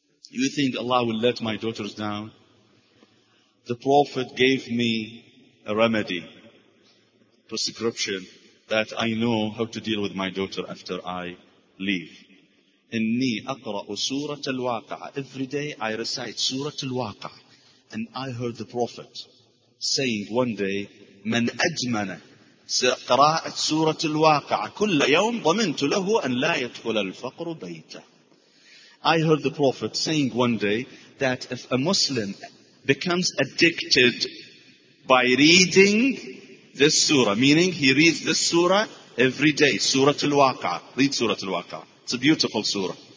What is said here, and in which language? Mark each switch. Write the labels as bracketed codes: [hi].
[en] You think Allah will let my daughters down? The Prophet gave me a remedy, prescription, that I know how to deal with my daughter after I leave. [ar] إني أقرأ سورة الواقع. [en] Every day I recite سورة الواقع. And I heard the Prophet saying one day, [ar] من أجمن قراءة سورة الواقع كل يوم ضمنت له أن لا يدخل الفقر بيته. [en] I heard the Prophet saying one day that if a Muslim becomes addicted by reading this surah, meaning he reads this surah every day, Surah Al-Waqi'ah, read Surah Al-Waqi'ah. It's a beautiful surah.